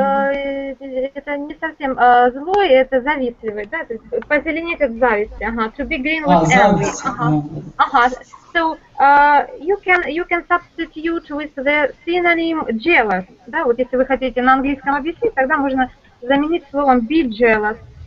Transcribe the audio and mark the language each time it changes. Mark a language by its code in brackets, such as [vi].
[ru] это не совсем злой, это завистливый, да? То есть позеленеть от зависти, ага. [en] To be green with envy. [ru] Зависть. [en] So you can substitute with the synonym jealous, [ru] да? Вот если вы хотите на английском объяснить, тогда можно заменить словом [en] be jealous.